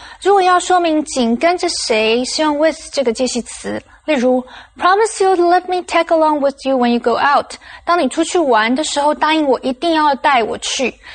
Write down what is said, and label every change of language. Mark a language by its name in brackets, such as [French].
[Chinese] 如果要说明紧跟着谁, 是用 with 这个介系词。 [English] 例如, Promise you'll let me tag along with you when you go out. [Chinese] 当你出去玩的时候, 答应我一定要带我去。